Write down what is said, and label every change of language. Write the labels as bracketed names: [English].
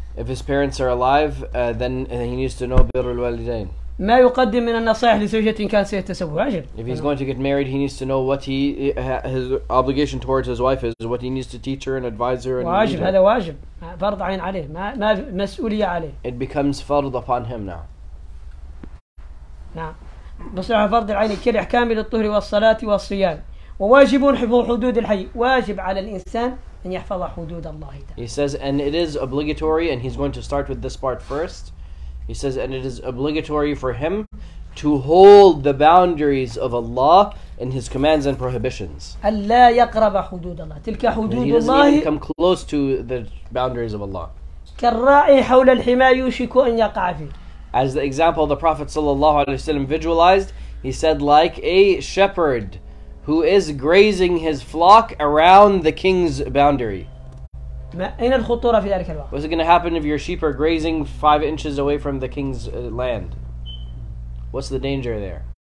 [English] If his parents are alive, then he needs to know بر الوالدين. [Arabic] ما يقدم من النصائح لزوجته إن كان سيتزوج واجب. [English] If he's going to get married, he needs to know what his obligation towards his wife is, what he needs to teach her and advise her. [Arabic] واجب هذا واجب فرض عين عليه ما مسؤولية عليه. [English] It becomes fard upon him now. [Arabic] نعم بصلاح فرض العين كل احكام للطهر والصلاه والصيام وواجب حفظ حدود الحي واجب على الانسان ان يحفظ حدود الله تعالى. [English] He says and it is obligatory and he's going to start with this part first. He says and it is obligatory for him to hold the boundaries of Allah in his commands and prohibitions. [Arabic] الا يقرب حدود الله تلك حدود الله. [English] He doesn't even come close to the boundaries of Allah. [Arabic] كالراعي حول الحمى يوشك ان يقع فيه. [English] As the example the Prophet ﷺ visualized, he said, like a shepherd who is grazing his flock around the king's boundary. What's going to happen if your sheep are grazing 5 inches away from the king's land? What's the danger there?